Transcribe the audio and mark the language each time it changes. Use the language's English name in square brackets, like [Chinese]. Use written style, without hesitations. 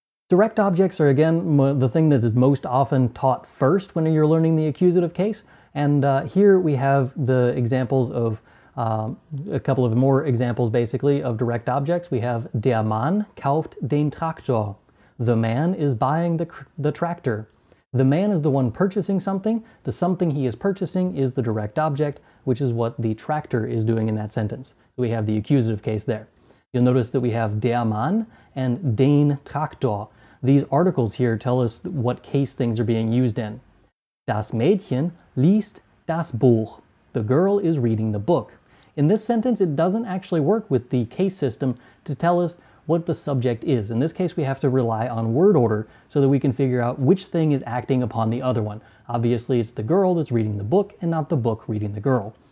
[English] Direct objects are, again, the thing that is most often taught first when you're learning the accusative case. And here we have the examples of a couple of more examples, basically, of direct objects. We have [German] der Mann kauft den Traktor. [English] The man is buying the tractor. The man is the one purchasing something. The something he is purchasing is the direct object, which is what the tractor is doing in that sentence. We have the accusative case there. You'll notice that we have der Mann and den Traktor. These articles here tell us what case things are being used in. [German] Das Mädchen liest das Buch. [English] The girl is reading the book. In this sentence, it doesn't actually work with the case system to tell us what the subject is. In this case, we have to rely on word order so that we can figure out which thing is acting upon the other one. Obviously, it's the girl that's reading the book and not the book reading the girl.